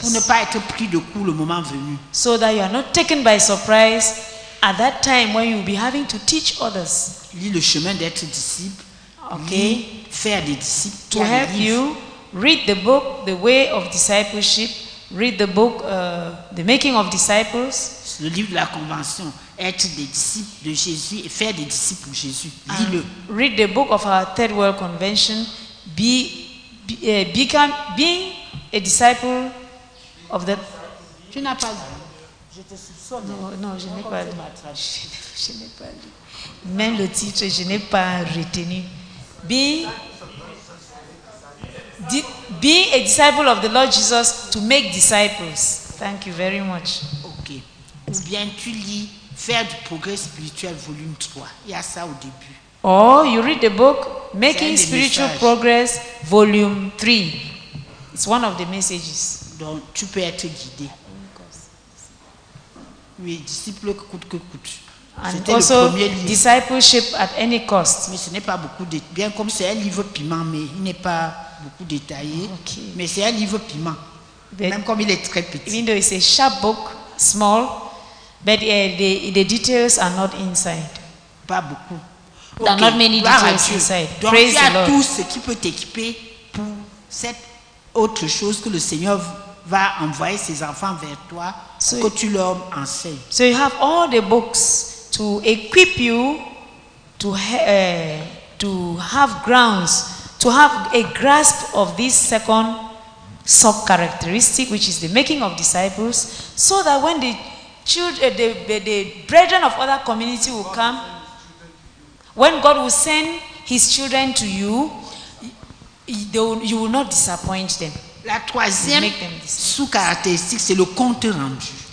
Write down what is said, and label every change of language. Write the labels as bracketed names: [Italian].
[French] Pour ne pas être pris de coup le moment venu. [English] So that you are not taken by surprise at that time when you will be having to teach others. [French] Lis le chemin d'être disciple. [English] Okay. [French] Faire des disciples. [English] To help you, read the book, The Way of Discipleship. Read the book, The Making of Disciples. [French] Le livre de la Convention, être des disciples de Jésus et faire des disciples pour Jésus. Lis-le. [English] Read the book of our Third World Convention, being a disciple of the... [French] Tu n'as pas lu. Je te soupçonne. Non, je n'ai pas lu. Je n'ai pas lu. Même le titre, je n'ai pas retenu. [English] Be a disciple of the Lord Jesus to make disciples. Thank you very much. [French] Okay. Ou bien tu lis Faire du progrès spirituel, volume 3. Il y a ça au début. [English] Or you read the book Making Spiritual Progress, volume 3. It's one of the messages. [French] Donc tu peux être guidé. Oui, disciple coûte que coûte. [English] And also discipleship at any cost. [French] Mais ce n'est pas beaucoup de, bien comme c'est un livre piment, mais il n'est pas beaucoup détaillé. [English] Okay. [French] Mais c'est un livre piment, [English] but [French] même comme il est très petit. [English] Even though it's a sharp book, small, but the details are not inside. [French] Pas beaucoup. [English] Okay. There are not many details inside. [French] Donc [English] praise [French] il y a [English] the Lord. [French] Tout ce qui peut t'équiper pour cette autre chose que le Seigneur va envoyer ses enfants vers toi, [English] so [French] que tu leur enseignes. [English] So you have all the books to equip you to have grounds, to have a grasp of this second sub-characteristic, which is the making of disciples, so that when the children, the brethren of other community will come, when God will send his children to you, you will not disappoint them. [French] La troisième sous-caractéristique, c'est le compte rendu.